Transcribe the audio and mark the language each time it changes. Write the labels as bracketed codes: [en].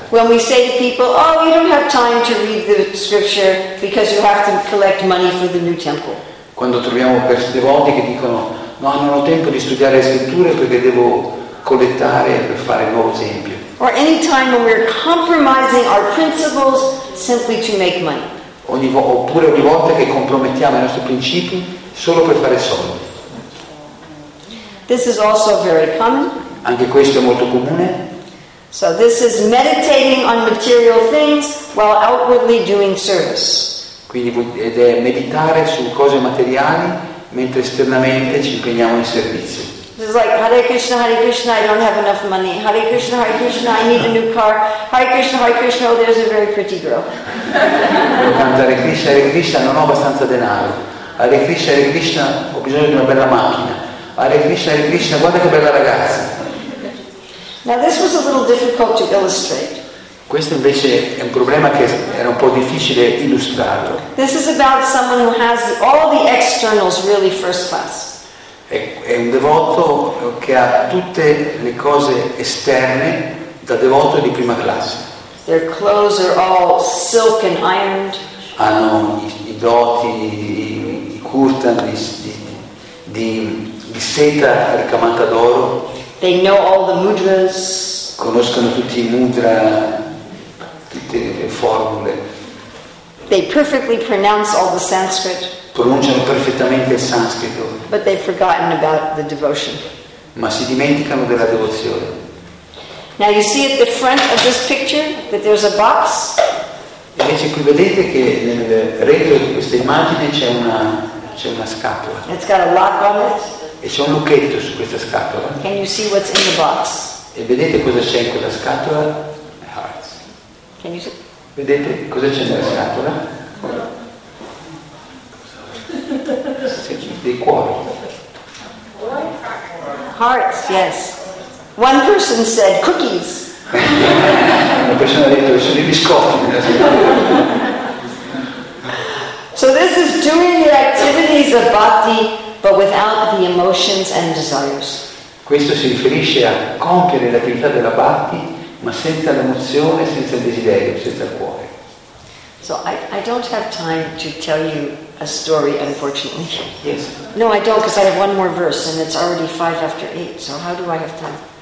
[en] When we say to people, "Oh, you don't have time to read the scripture because you have to collect money for the new temple." [it] Quando troviamo devoti che dicono, "No, non ho tempo di studiare le scritture perché devo collettare per fare il nuovo tempio." [en] Or any time when we're compromising our principles simply to make money. [it] Oppure ogni volta che compromettiamo i nostri principi solo per fare soldi. [en] This is also very common. [it] Anche questo è molto comune. [en] So this is meditating on material things while outwardly doing service. [it] Quindi ed è meditare su cose materiali mentre esternamente ci impegniamo in servizio. [en] This is like Hare Krishna, I don't have enough money. Hare Krishna, I need a new car. Hare Krishna, oh, there's a very pretty girl. [it] Devo cantare Hare Krishna, non ho abbastanza denaro. Hare Krishna, ho bisogno di una bella macchina. Hare Krishna, guarda che bella ragazza. [en] Now this was a little difficult to illustrate. [it] Questo invece è un problema che era un po' difficile illustrarlo. [en] This is about someone who has all the externals really first class. [it] È un devoto che ha tutte le cose esterne da devoto di prima classe. [en] Their clothes are all silk and ironed. [it] Hanno i doti, i curtain di seta ricamata d'oro. [en] They know all the mudras. [it] Conoscono tutti i mudra, tutte le formule. [en] They perfectly pronounce all the Sanskrit. [it] Pronunciano perfettamente il sanscrito. [en] But they've forgotten about the devotion. [it] Ma si dimenticano della devozione. [en] Now you see at the front of this picture that there's a box. [it] E invece qui vedete che nel retro di questa immagine c'è una scatola. [en] It's got a lock on it. [it] E c'è un lucchetto su questa scatola. [en] Can you see what's in the box? [it] E vedete cosa c'è in quella scatola? [en] Hearts. Can you see? [it] Vedete cosa c'è nella scatola? Dei cuori. [en] Hearts, yes. One person said cookies. [it] Una persona ha detto che sono i biscotti. [en] So this is doing the activities of bhakti but without the emotions and desires. [it] Questo si riferisce a compiere l'attività della bhakti ma senza l'emozione, senza il desiderio, senza il cuore. [en] So I don't have time to tell you a story, unfortunately. Yes. No, I don't, because I have one more verse and it's already 8:05, so how do I have time?